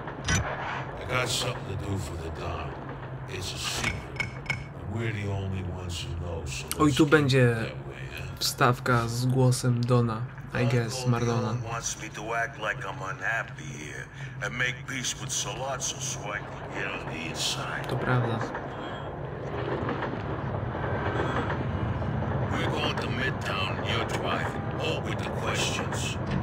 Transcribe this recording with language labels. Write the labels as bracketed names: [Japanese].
[English] I got something to do for the Don. It's a secret. And we're the only ones who know, so [Polish] oj, tu będzie wstawka z głosem Dona, [English] I guess, [Polish] Mardona. [English] Don wants me to act like I'm unhappy here and make peace with Solozzo so I can get on the inside. [Polish] To prawda. [English] We're going to Midtown, you're driving, all with the questions.